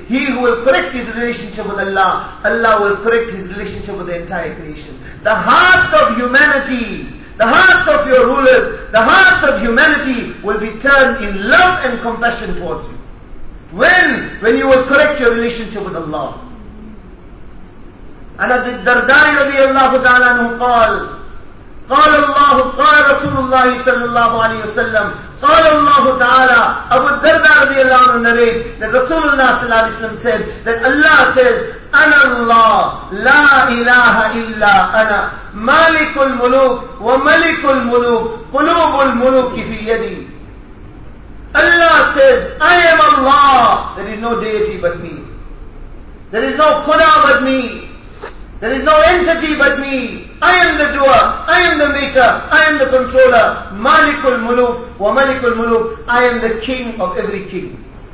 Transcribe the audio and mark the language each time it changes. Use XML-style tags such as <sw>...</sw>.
<en>He who will correct his relationship with Allah, Allah will correct his relationship with the entire creation. The hearts of humanity, the hearts of your rulers, the hearts of humanity will be turned in love and compassion towards you. When you will correct your relationship with Allah.</en> <ar>And Abu Darda رضي الله تعالى عنه قال. قال الله قال رسول الله صلى الله عليه وسلم قال الله تعالى أبو الدرداء رضي الله عنه narrated that رسول الله صلى الله عليه وسلم said that Allah says أنا الله لا إله إلا أنا مالك الملوك وملك الملوك قلوب الملوك في يدي.</ar> <en>Allah says I am Allah, there is no deity but me, there is no khuda but me, there is no entity but me. I am the doer, I am the maker, I am the controller. Malikul Muluk wa Malikul Muluk. I am the king of every king.</en>